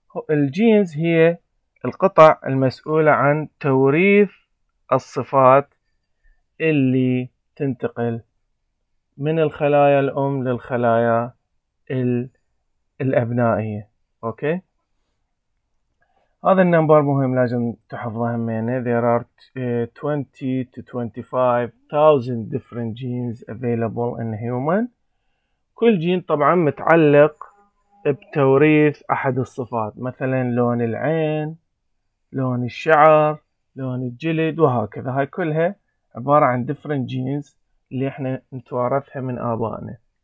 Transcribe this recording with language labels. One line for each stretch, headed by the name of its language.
Arabic: الجينز هي القطع المسؤولة عن توريث الصفات اللي تنتقل من الخلايا الأم للخلايا الأبنائية. أوكي، هذا النمبر مهم لازم تحفظه همينه.
English: There are 20 to 25,000 different genes available in human.
Arabic: كل جين طبعا متعلق بتوريث أحد الصفات، مثلا لون العين، لون الشعر، لون الجلد وهكذا. هاي كلها عبارة عن
English: different genes
Arabic: اللي احنا نتوارثها من آبائنا.